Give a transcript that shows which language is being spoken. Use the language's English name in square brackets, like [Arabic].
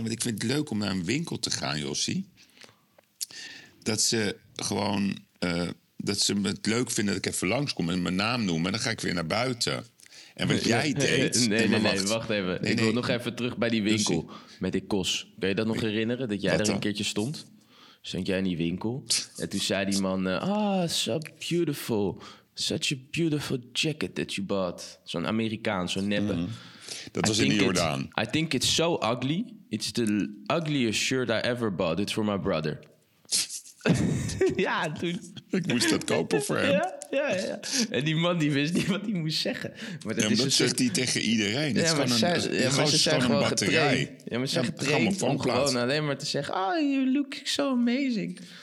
[Dutch] Want ik vind het leuk om naar een winkel te gaan, Jossie. Dat ze gewoon. Dat ze het leuk vinden dat ik even langskom en mijn naam noem. En dan ga ik weer naar buiten. En wat jij deed. Nee, wacht even. Nee. Ik wil nog even terug bij die winkel. Jossie. Met die kos. Kun je dat nog herinneren? Dat jij er een keertje stond? Stond jij in die winkel? En toen zei die man. [English] Ah, so beautiful. Such a beautiful jacket that you bought. [Dutch] Zo'n Amerikaan, zo'n neppe. Dat was in de Jordaan. [English] I think it's so ugly. It's the ugliest shirt I ever bought. It's for my brother. [Dutch] Ja, toen. Ik moest dat kopen voor hem. Ja. En die man die wist niet wat hij moest zeggen. Maar dat, ja, is dat een zegt hij tegen iedereen. Ja, het is maar gewoon ze, een, ja, gewoon ze zijn gewoon een batterij. Ja, maar ze zijn getraind om gewoon alleen maar te zeggen, [English] oh, you look so amazing.